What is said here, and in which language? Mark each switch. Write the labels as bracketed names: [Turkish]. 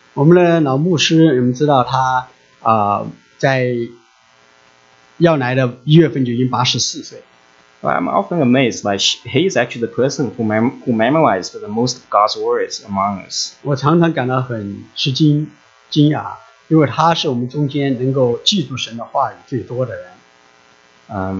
[Chinese] 我们的老牧师，你们知道他在要来的一月份就已经84岁。 [English] I'm often amazed, like, he is actually the person who memorized the most of God's words among us. [Chinese] 我常常感到很吃惊、惊讶，因为他是我们中间能够记住神的话语最多的人。